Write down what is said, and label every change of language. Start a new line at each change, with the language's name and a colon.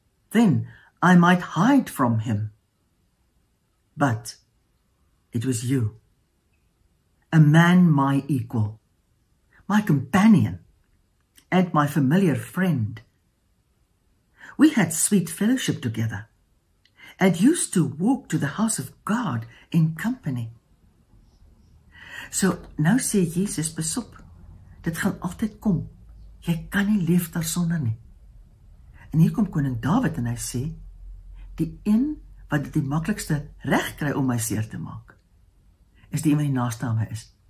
English: Then I might hide from him. But it was you, a man my equal, my companion, and my familiar friend. We had sweet fellowship together, and used to walk to the house of God in company."
Afrikaans: So, nou sê Jesus, pas op, dit gaan altyd kom, jy kan nie leef daar sonder nie. En hier kom koning David en hy sê, die een wat die makkelijkste recht krijg om my seer te maak, is die een wat die naaste aan my is.